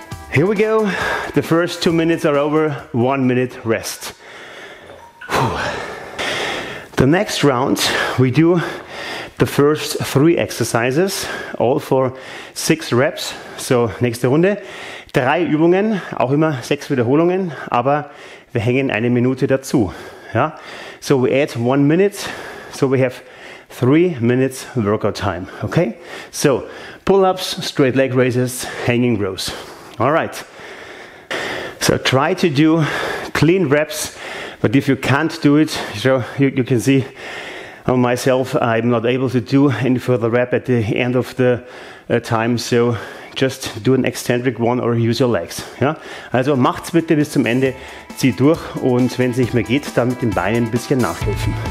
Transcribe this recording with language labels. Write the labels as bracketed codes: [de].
[en] Here we go. The first 2 minutes are over. 1 minute rest. Whew. The next round, we do the first 3 exercises, all for 6 reps. [de] So, nächste Runde. 3 Übungen, auch immer 6 Wiederholungen, aber wir hängen 1 Minute dazu. [en] Ja? So, we add 1 minute. So, we have 3 minutes workout time. Okay? So, pull-ups, straight leg raises, hanging rows. All right, so try to do clean reps, but if you can't do it, so you can see on myself, I'm not able to do any further rep at the end of the time, so just do an eccentric one or use your legs. Ja? [de] Also macht's bitte bis zum Ende, zieh durch und wenn es nicht mehr geht, dann mit den Beinen ein bisschen nachhelfen.